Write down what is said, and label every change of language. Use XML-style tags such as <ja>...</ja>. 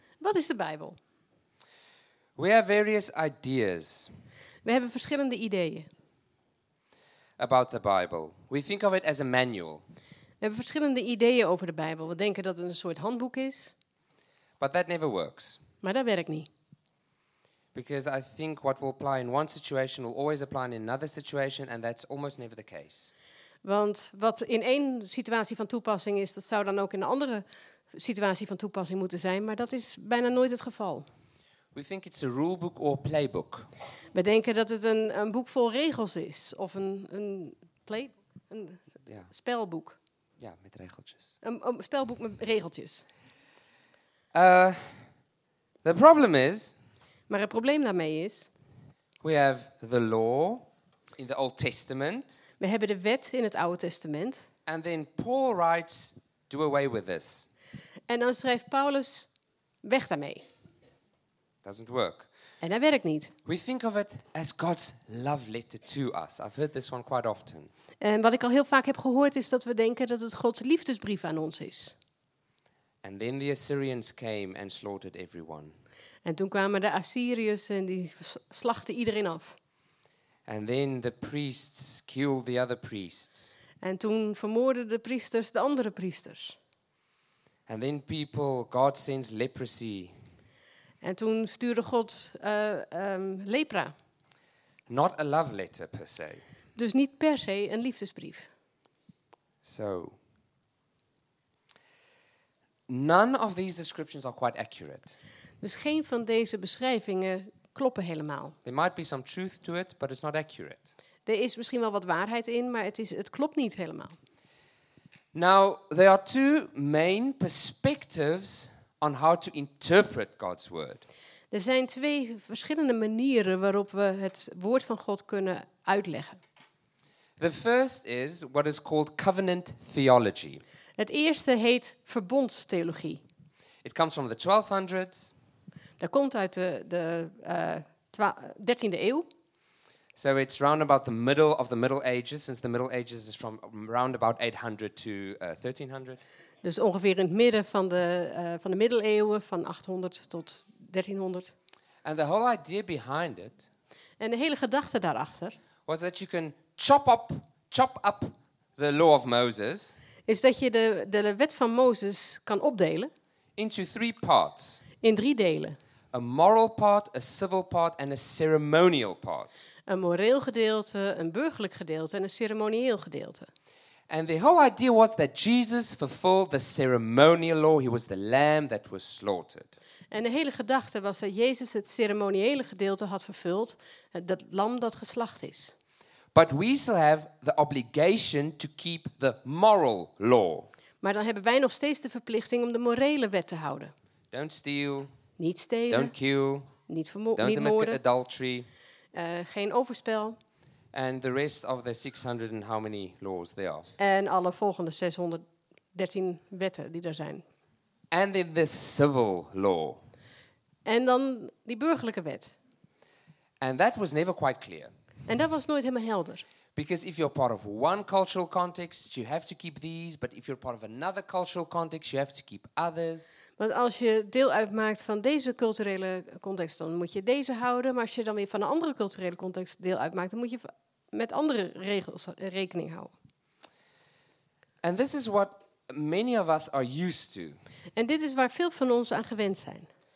<nl>Wat is de Bijbel?</nl> <en>We have various ideas.</en> <nl>We hebben verschillende ideeën.</nl> <en>About the Bible. We think of it as a manual.</en> <nl>We hebben verschillende ideeën over de Bijbel. We denken dat het een soort handboek is.</nl> <en>But that never works.</en> <nl>Maar dat werkt niet.</nl> <en>Because I think what will apply in one situation will always apply in another situation, and that's almost never the case.</en> <nl>Want wat in één situatie van toepassing is, dat zou dan ook in een andere situatie van toepassing moeten zijn, maar dat is bijna nooit het geval.</nl> <en>We think it's a rule book or playbook.</en> <nl>We denken dat het een boek vol regels is. Of een playbook. Een spelboek. Ja, met regeltjes. Een spelboek met regeltjes.</nl> <en>The problem is.</en> <nl>Maar het probleem daarmee is.</nl> <en>We have the law in the Old Testament.</en> <nl>We hebben de wet in het Oude Testament.</nl> <en>And then Paul writes do away with this.</en> <nl>En dan schrijft Paulus, weg daarmee.</nl> <en>Doesn't work.</en> <nl>En dat werkt niet.</nl> <en>We think of it as God's love letter to us. I've heard this one quite often.</en> <nl>En wat ik al heel vaak heb gehoord is dat we denken dat het Gods liefdesbrief aan ons is.</nl> <en>And then the Assyrians came and slaughtered everyone.</en> <nl>En toen kwamen de Assyriërs en die slachten iedereen af.</nl> <en>And then the priests killed the other priests.</en> <nl>En toen vermoorden de priesters de andere priesters.</nl> <en>And then people, God sends leprosy.</en> <nl>En toen stuurde God lepra.</nl> <en>Not a love letter per se.</en> <nl>Dus niet per se een liefdesbrief.</nl> <en>So. None of these descriptions are quite accurate.</en> <nl>Dus geen van deze beschrijvingen kloppen helemaal.</nl> <en>There might be some truth to it, but it's not accurate.</en> <nl>Er is misschien wel wat waarheid in, maar het klopt niet helemaal.</nl> <en>Now, there are two main perspectives on how to interpret God's word.</en> <nl>Er zijn twee verschillende manieren waarop we het woord van God kunnen uitleggen.</nl> <en>The first is what is called covenant theology.</en> <nl>Het eerste heet verbondstheologie.</nl> <en>It comes from the 1200s.</en> <nl>Dat komt uit de 13e eeuw.</nl> <en>So it's round about the middle of the Middle Ages, since the Middle Ages is from round about 800 to 1300.</en> <nl>Dus ongeveer in het midden van de middeleeuwen, van 800 tot 1300.</nl> <en>And the whole idea behind it.</en> <nl>En de hele gedachte daarachter.</nl> <en>Was that you can chop up the law of Moses.</en> <nl>Is dat je de wet van Mozes kan opdelen.</nl> <en>Into three parts.</en> <nl>In drie delen.</nl> <en>A moral part, a civil part and a ceremonial part.</en> <nl>Een moreel gedeelte, een burgerlijk gedeelte en een ceremonieel gedeelte.</nl> <en>And the whole idea was that Jesus fulfilled the ceremonial law. He was the lamb that was slaughtered.</en> <nl>En de hele gedachte was dat Jezus het ceremoniële gedeelte had vervuld, dat lam dat geslacht is.</nl> <en>But we still have the obligation to keep the moral law.</en> <nl>Maar dan hebben wij nog steeds de verplichting om de morele wet te houden.</nl> <en>Don't steal.</en> <nl>Niet stelen.</nl> <en>Don't kill.</en> <nl>Niet vermoorden.</nl> <en>Don't commit adultery.</en> <nl>Geen overspel.</nl> <en>And the rest of the 600 and how many laws there are.</en> <nl>En alle volgende 613 wetten die er zijn.</nl> <en>And then the civil law.</en> <nl>En dan die burgerlijke wet.</nl> <en>And that was never quite clear.</en> <nl>En dat was nooit helemaal helder.</nl> <en>Because if you're part of one cultural context, you have to keep these. But if you're part of another cultural context, you have to keep others.</en> <nl>Want als je deel uitmaakt van deze culturele context, dan moet je deze houden. Maar als je dan weer van een andere culturele context deel uitmaakt, dan moet je met andere regels rekening houden.</nl> <en>And this is what many of us are used to.</en> <nl>En dit is waar veel van ons aan gewend zijn.</nl>